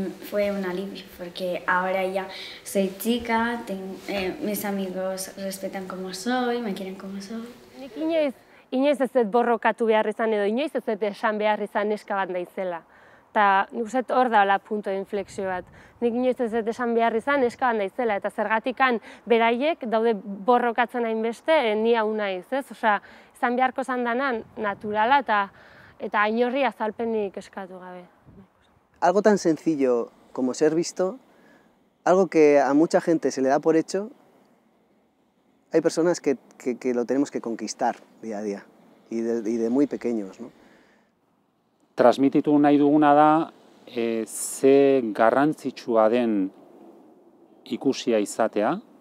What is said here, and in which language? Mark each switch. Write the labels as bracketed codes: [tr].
[es] fue un alivio, porque ahora ya soy chica, mis amigos respetan como soy, me quieren como soy. [eu] Nik inoiz ez dut borrokatu behar izan edo inoiz ez dut esan behar izan neska bat naizela. Ta nik uste hor dela punto de inflexio bat. Nik inoiz ez dut esan behar izan neska bat naizela, eta zergatikan beraiek daude borrokatzen hainbeste, ni hau naiz, ez? Osea, izan beharko zan danan naturala eta inorri azalpenik eskatu gabe. [es] Algo tan sencillo como ser visto, algo que a mucha gente se le da por hecho, hay personas que lo tenemos que conquistar día a día y de muy pequeños, ¿no? [eu] Transmititu nahi duguna da ze garrantzitsua den ikusia izatea.